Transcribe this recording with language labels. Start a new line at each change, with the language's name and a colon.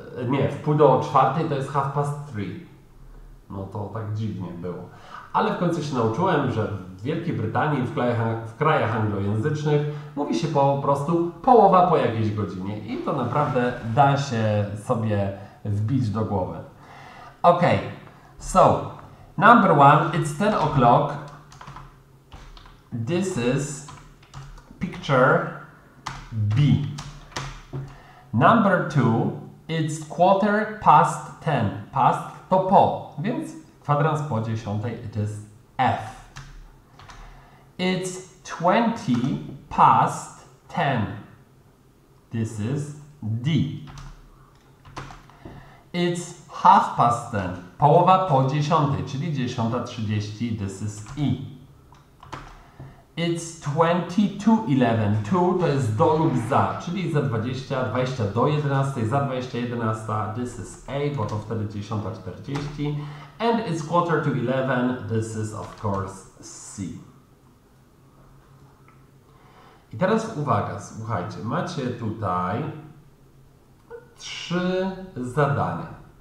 Polish: Nie, w pół do czwartej to jest
English: half past three.
Polish: No to tak dziwnie było. Ale w końcu się nauczyłem, że w Wielkiej Brytanii, w krajach anglojęzycznych mówi się po prostu połowa po jakiejś godzinie. I to naprawdę da się sobie wbić do głowy.
English: Ok, so, number one, it's 10 o'clock. This is picture B. Number two, it's 10:15.
Polish: Past to po. Więc kwadrans po dziesiątej,
English: it is F. It's 10:20. This is D. It's 10:30.
Polish: Połowa po dziesiątej, czyli 10:30,
English: this is E. It's 10:40.
Polish: Two to jest do lub za, czyli za 20 do 11, za 20:11,
English: this is A,
Polish: bo to wtedy 10:40.
English: And it's 10:45, this is of course C.
Polish: I teraz uwaga, słuchajcie, macie tutaj trzy zadania.